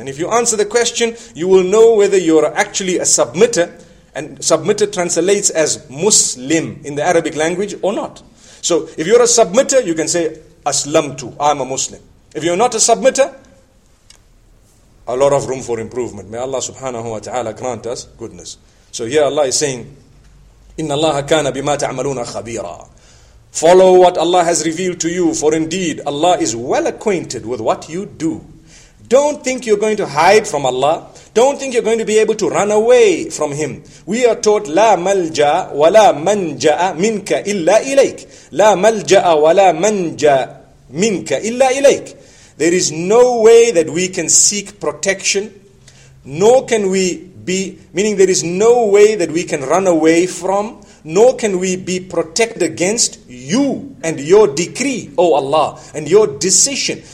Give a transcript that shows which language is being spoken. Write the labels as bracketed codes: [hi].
[en] And if you answer the question, you will know whether you're actually a submitter, and submitter translates as Muslim in the Arabic language, or not. So if you're a submitter, you can say, Aslamtu, I'm a Muslim. If you're not a submitter, a lot of room for improvement. May Allah subhanahu wa ta'ala grant us goodness. So here Allah is saying, [ar] إِنَّ اللَّهَ كَانَ بِمَا تَعْمَلُونَ خَبِيرًا. [en] Follow what Allah has revealed to you, for indeed Allah is well acquainted with what you do. Don't think you're going to hide from Allah. Don't think you're going to be able to run away from Him. We are taught, [ar] لَا مَلْجَأَ وَلَا مَنْجَأَ مِنْكَ إِلَّا إِلَيْكَ. لَا مَلْجَأَ وَلَا مَنْجَأَ مِنْكَ إِلَّا إِلَيْكَ. [en] There is no way that we can seek protection, nor can we be, meaning there is no way that we can run away from, nor can we be protected against you and your decree, O Allah, and your decision.